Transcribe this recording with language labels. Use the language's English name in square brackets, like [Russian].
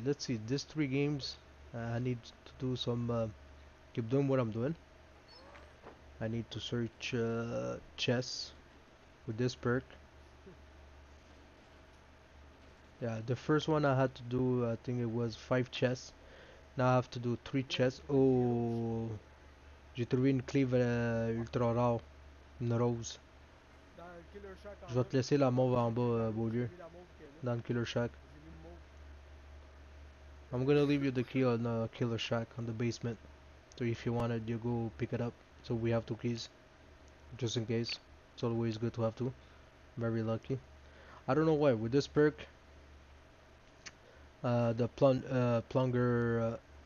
[English] These three games, I need to do some, keep doing what I'm doing. I need to search chests with this perk. Yeah, the first one I had to do, I think it was 5 chests. Now I have to do 3 chests. [French] Oh, j'ai trouvé une clé ultra rare, une rose. Je vais te laisser la mauve en bas, Beaulieu, dans le Killer Shack. [English] I'm gonna leave you the key on the Killer Shack, on the basement. So if you wanted, you go pick it up. So we have 2 keys, just in case. It's always good to have 2. Very lucky. I don't know why, with this perk, the plunger